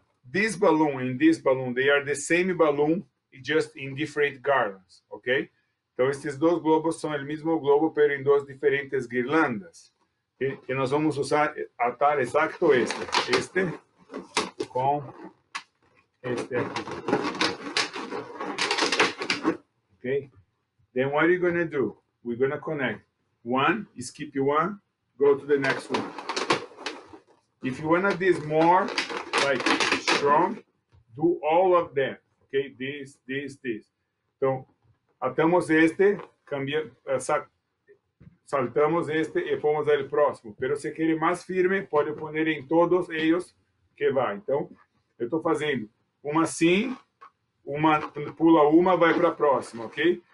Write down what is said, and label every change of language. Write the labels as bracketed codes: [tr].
[en] This balloon and this balloon, they are the same balloon, just in different garlands. Ok? [pt] Então, esses dois globos são o mesmo globo, mas em duas diferentes guirlandas. E nós vamos usar, atar exato este com [en] Okay. Then what are you going to do? We're going to connect. One, you skip one, go to the next one. If you want this more, like, strong, do all of them. Okay, this, this, this. [pt] Então, atamos este, cambia, saltamos este e fomos ao próximo. Pero se querer mais firme, pode poner em todos eles que vai. Então, eu estou fazendo uma assim, uma pula uma, vai para a próxima, ok?